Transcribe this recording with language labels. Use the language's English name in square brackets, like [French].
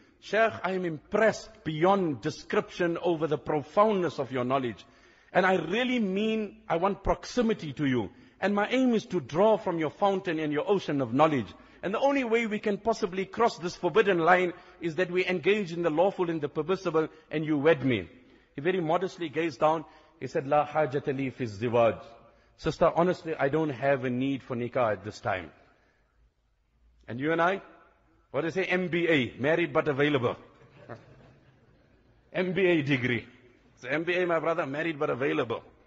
[English] Sheikh, I am impressed beyond description over the profoundness of your knowledge. And I really mean, I want proximity to you. And my aim is to draw from your fountain and your ocean of knowledge. And the only way we can possibly cross this forbidden line is that we engage in the lawful and the permissible and you wed me. He very modestly gazed down. He said, [Arabic] لَا حَاجَةَ لِي فِي الزِّوَاجِ. [English] Sister, honestly, I don't have a need for nikah at this time. And you and I? What do they say? MBA, married but available. MBA degree. So MBA, my brother, married but available.